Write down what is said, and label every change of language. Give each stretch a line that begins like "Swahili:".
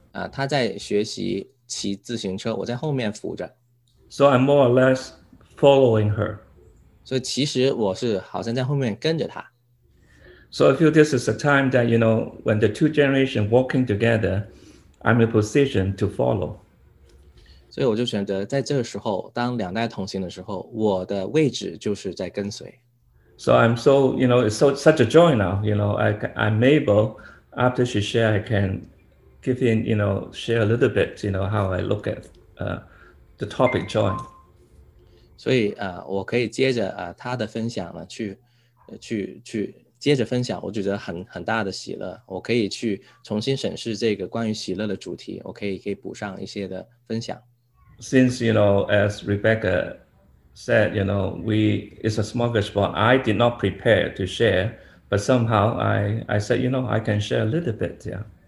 Chinese: 她在学习骑自行车，我在后面扶着。
English: So I'm more or less following her.
Chinese: 所以其实我是好像在后面跟着她。
English: So I feel this is a time that, you know, when the two generations walking together, I'm in a position to follow.
Chinese: 所以我就选择在这个时候，当两代同行的时候，我的位置就是在跟随。
English: So I'm so, you know, it's so, such a joy now, you know, I'm able, after she share, I can give in, you know, share a little bit, you know, how I look at the topic joy.
Chinese: 所以我可以接着她的分享呢，去接着分享，我觉得很大的喜乐，我可以去重新审视这个关于喜乐的主题，我可以补上一些的分享。
English: Since, you know, as Rebecca said, you know, it's a smorgasbord. I did not prepare to share, but somehow I said, you know, I can share a little bit, yeah.